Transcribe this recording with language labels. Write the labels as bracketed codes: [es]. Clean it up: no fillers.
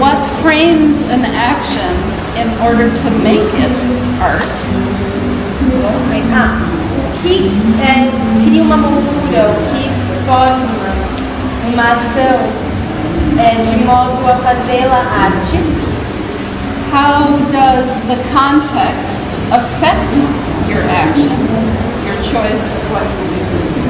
[en] What frames an action in order to make it art? [pt] O que cria uma moldura? O que forma uma ação de modo a fazê-la arte? [en] How does the context affect your action, your choice of what you do?